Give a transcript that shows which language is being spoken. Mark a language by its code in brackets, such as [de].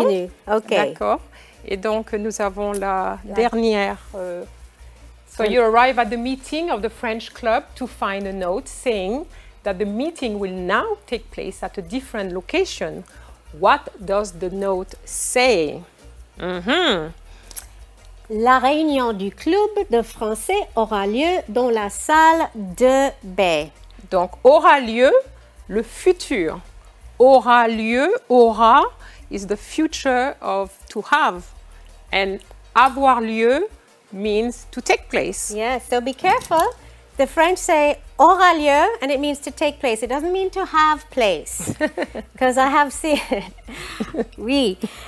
[fr] On continue. Okay. D'accord. Et donc, nous avons la dernière. [en] So you arrive at the meeting of the French club to find a note saying that the meeting will now take place at a different location. What does the note say? Mm-hmm. [fr] La réunion du club de français aura lieu dans la salle de bain. Donc, aura lieu, le futur. [en] Aura lieu, aura, is the future of to have. And avoir lieu means to take place. Yes, so be careful. The French say aura lieu and it means to take place. It doesn't mean to have place. Because I have seen it. [fr] Oui.